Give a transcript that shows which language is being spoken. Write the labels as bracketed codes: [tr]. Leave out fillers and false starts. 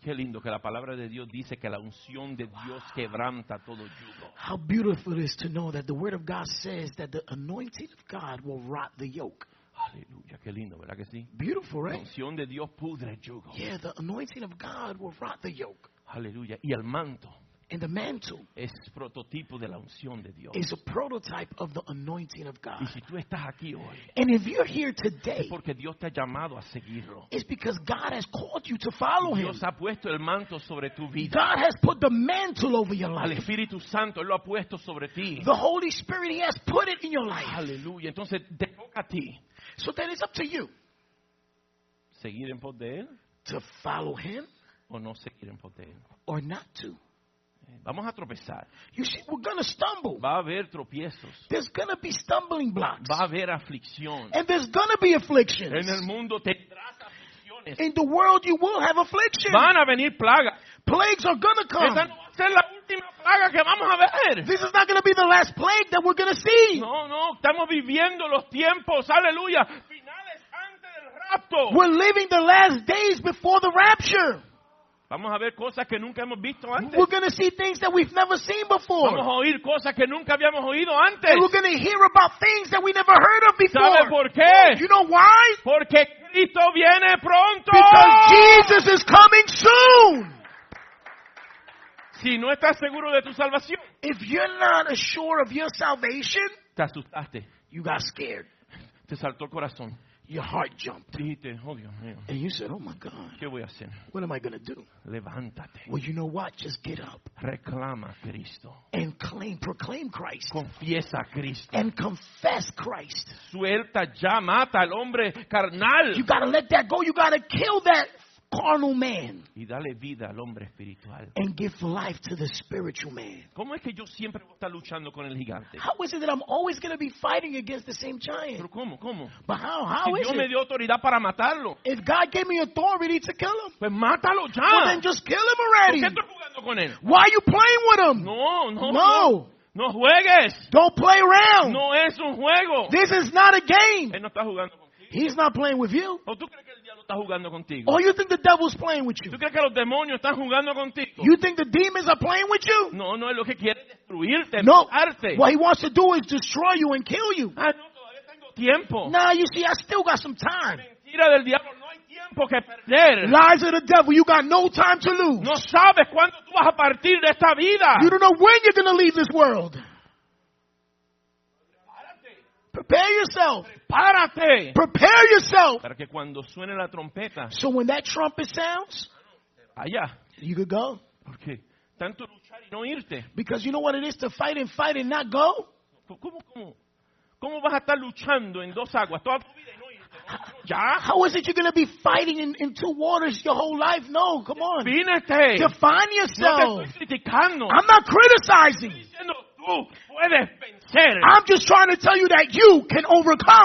[es] Qué lindo que la palabra de Dios dice que la unción de Dios quebranta todo yugo. [en] How beautiful it is to know that the word of God says that the anointing of God will rot the yoke. [es] Aleluya, qué lindo, ¿verdad que sí? [en] Beautiful, right? [es] La unción de Dios pudre el yugo. [en] Yeah, the anointing of God will rot the yoke. [es] Aleluya, y el manto. [en] And the mantle [es] es prototipo de la unción de Dios. [en] Is a prototype of the anointing of God. [es] Y si tú estás aquí hoy, [en] and if you're here today, [es] es porque Dios te ha llamado a seguirlo. [en] It's because God has called you to follow [es] Dios [en] him. [es] Dios ha puesto el manto sobre tu vida. [en] God has put the mantle over your life. [es] El Espíritu Santo lo ha puesto sobre ti. [en] The Holy Spirit, he has put it in your life. [es] Aleluya. Entonces, te toca a ti. [en] So then it's up to you. [es] Seguir en pos de él. [en] To follow him. [es] O no seguir en pos de él. [en] Or not to. [es] Vamos a tropezar. [en] You see, we're gonna stumble. [es] Va a haber tropiezos. [en] There's gonna be stumbling blocks. [es] Va a haber aflicción. [en] And there's gonna be afflictions. [es] En el mundo tendrás aflicciones. [en] In the world you will have affliction. [es] Van a venir plagas. [en] Plagues are gonna come. [es] Esa no va a ser la última plaga que vamos a ver. [en] This is not gonna be the last plague that we're gonna see. [es] No, no, estamos viviendo los tiempos. Aleluya. Finales antes del rapto. [en] We're living the last days before the rapture. [es] Vamos a ver cosas que nunca hemos visto antes. [en] We're going to see things that we've never seen before. [es] Vamos a oír cosas que nunca habíamos oído antes. [en] And we're going to hear about things that we never heard of before. [es] ¿Sabe por qué? [en] You know why? [es] Porque Cristo viene pronto. [en] Because Jesus is coming soon. [es] Si no estás seguro de tu salvación, [en] if you're not sure of your salvation, [es] te asustaste. [en] You got scared. [es] Te saltó el corazón. [en] Your heart jumped. [es] Dijiste, oh Dios mío. [en] And you said, oh my God. [es] ¿Qué voy a hacer? [en] What am I going to do? [es] Levántate. [en] Well, you know what? Just get up. [es] Reclama Cristo. [en] And claim, proclaim Christ. [es] Confiesa Cristo. [en] And confess Christ. [es] Suelta ya, mata al hombre carnal. [en] You got to let that go. You got to kill that carnal man. [es] Y dale vida al hombre espiritual. [en] And give life to the spiritual man. [es] ¿Cómo es que yo siempre voy a estar luchando con el gigante? [en] How is it that I'm always going to be fighting against the same giant? [es] Pero cómo, cómo? [en] But how [es] si [en] is [es] Dios [en] it? [es] Me dio autoridad para matarlo. [en] If God gave me authority to kill him, [es] pues mátalo ya. [en] Well, then just kill him already. [es] ¿Por qué estoy jugando con él? [en] Why are you playing with him? [es] No. No juegues. [en] Don't play around. [es] No es un juego. [en] This is not a game. [es] Él no está jugando con [en] He's not playing with you. [es] ¿O tú crees que el diablo está jugando contigo? [en] Or you think the devil's playing with you? [es] ¿Tú crees que los demonios están jugando contigo? [en] You think the demons are playing with you? [es] No, es lo que quiere destruirte, no. Matarte. [en] What he wants to do is destroy you and kill you. [es] Ah, no, todavía tengo tiempo. [en] Nah, you see, I still got some time. [es] Mentira del diablo, no hay tiempo que perder. [en] Lies of the devil, you got no time to lose. [es] No sabes cuándo tú vas a partir de esta vida. [en] You don't know when you're going to leave this world. Prepare yourself. [es] Prepárate. [en] Prepare yourself. [es] Para que cuando suene la trompeta, [en] so when that trumpet sounds, [es] allá, [en] you could go. [es] ¿Por qué? Tanto luchar y no irte. [en] Because you know what it is to fight and fight and not go? [es] ¿Cómo vas a estar luchando en dos aguas toda tu vida y no irte? ¿Ya? [en] How is it you're going to be fighting in two waters your whole life? No, come on. [es] Defínete. [en] Define yourself. [es] No te estoy criticando. [en] I'm not criticizing. I'm just trying to tell you that you can overcome.